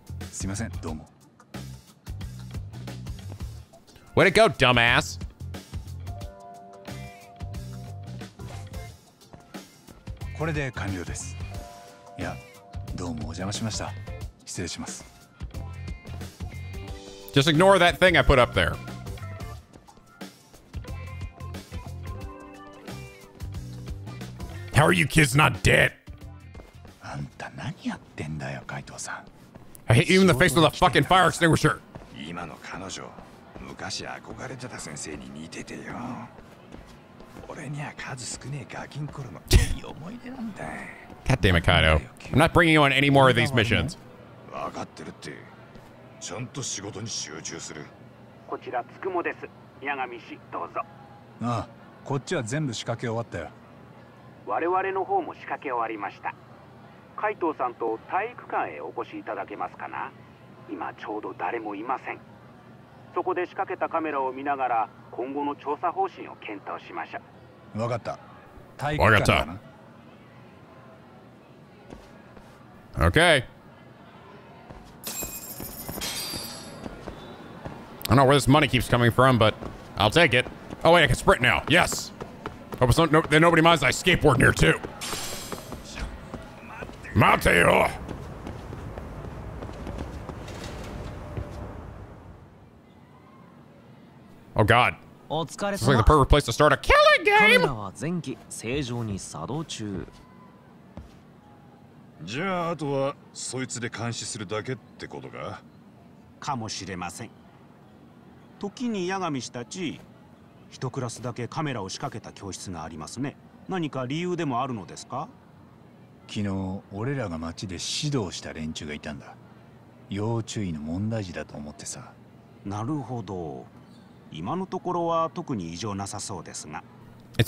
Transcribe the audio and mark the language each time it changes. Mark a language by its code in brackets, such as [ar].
[ja] すみません、どうも。 [en] Way to go, dumbass. [ja] これで完了です。いや、どうもお邪魔しました。失礼します。 [en] Just ignore that thing I put up there. How are you kids not dead? [ja] あんた何やってんだよ、カイトさん。 [en] I hit you in the face with a fucking fire extinguisher. [ja] 今の彼女、昔憧れてた先生に似ててよ。俺には数少ねえガキン頃のいい思い出なんだ。 [en] God damn it, Kaido. I'm not bringing you on any more of these missions. [ja] 分かってるって。ちゃんと仕事に集中する。こちらつくもです。ヤガミ氏、どうぞ。ああ、こっちは全部仕掛け終わったよ。我々の方も仕掛け終わりました。カイトさんと体育館へお越しいただけますかな。今ちょうど誰もいません。そこで仕掛けたカメラを見ながら、今後の調査方針を検討しましょう。分かった。体育館かな。 [en] Okay. I don't know where this money keeps coming from, but I'll take it. Oh wait, I can sprint now. Yes. Hope so, no, then nobody minds I skateboard here too. Mateo. Oh God. It's like the perfect place to start a killing game. [ja] じゃあ、あとはそいつで監視するだけってことか。かもしれません。時に矢上氏たち、一クラスだけカメラを仕掛けた教室がありますね。何か理由でもあるのですか?昨日俺らが街で指導した連中がいたんだ。要注意の問題児だと思ってさ。なるほど。今のところは特に異常なさそうですが。 [en] It's